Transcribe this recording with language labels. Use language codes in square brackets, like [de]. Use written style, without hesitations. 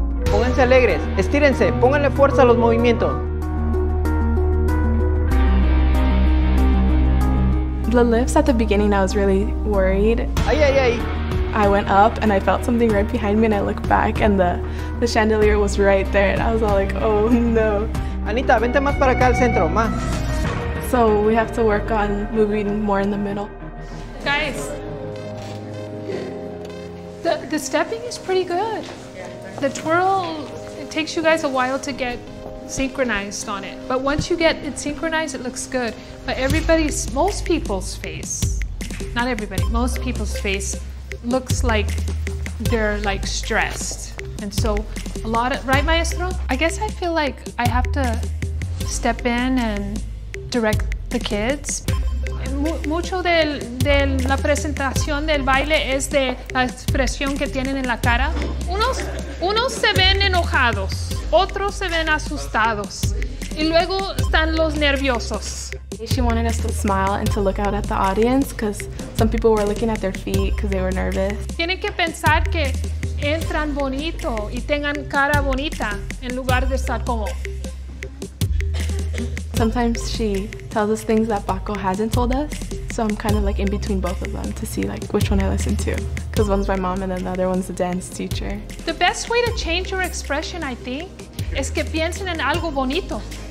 [es] Pónganse alegres, estírense, pónganle fuerza a los movimientos. [en] The lifts at the beginning, I was really worried. Ay, ay, ay. I went up and I felt something right behind me and I looked back and the chandelier was right there and I was all like, oh no. [es] Anita, vente más para acá al centro, más. [en] So we have to work on moving more in the middle. Guys, the stepping is pretty good. The twirl, it takes you guys a while to get synchronized on it. But once you get it synchronized, it looks good. But everybody's, most people's face, not everybody, most people's face looks like they're like stressed. And so a lot of, right maestro? I guess I feel like I have to step in and direct the kids. [es] Mucho de la presentación del baile es de la expresión que tienen en la cara. Unos se ven enojados, otros se ven asustados. Y luego están los nerviosos. [en] She wanted us to smile and to look out at the audience because some people were looking at their feet because they were nervous. [es] Tienen que pensar que entran bonito y tengan cara bonita en lugar de estar como. [en] Sometimes she tells us things that Paco hasn't told us, so I'm kind of like in between both of them to see like which one I listen to, because one's my mom and then the other one's the dance teacher. The best way to change your expression, I think, [es] es que piensen en algo bonito.